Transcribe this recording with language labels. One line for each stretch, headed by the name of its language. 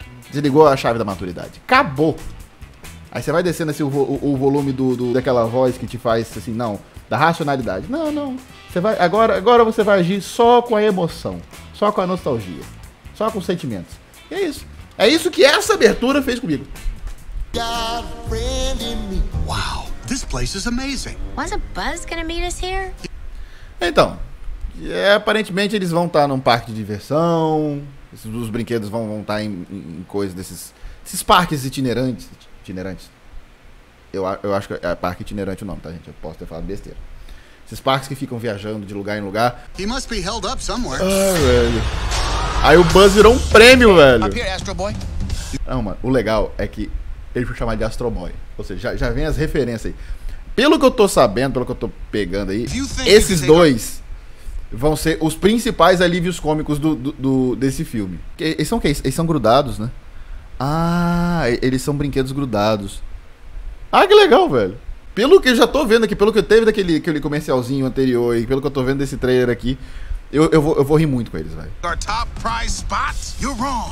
Portuguese: Desligou a chave da maturidade. Acabou. Aí você vai descendo assim, o volume daquela voz que te faz assim, não, da racionalidade. Não, não. Você vai, agora você vai agir só com a emoção. Só com a nostalgia. Só com os sentimentos. E é isso. É isso que essa abertura fez comigo.
English: Got a friend in me. Wow, this place is amazing. Why's a Buzz gonna meet us here?
Portuguese: Então. É, aparentemente eles vão estar num parque de diversão. Os brinquedos vão estar em coisas desses. Esses parques itinerantes. Itinerantes. Eu acho que é parque itinerante o nome, tá, gente? Eu posso ter falado besteira. Esses parques que ficam viajando de lugar em lugar.
English: He must be held up somewhere.
Portuguese: Ah, velho. Aí o Buzz virou um prêmio, velho. Não, mano, o legal é que ele foi chamado de Astro Boy. Ou seja, já vem as referências aí. Pelo que eu tô sabendo, pelo que eu tô pegando aí, esses dois vão ser os principais alívios cômicos desse filme. Eles são o quê? Eles são grudados, né? Ah, eles são brinquedos grudados. Ah, que legal, velho. Pelo que eu já tô vendo aqui, pelo que teve daquele comercialzinho anterior e pelo que eu tô vendo desse trailer aqui, eu vou rir muito com eles, velho.
English: Our top prize spot, you're wrong.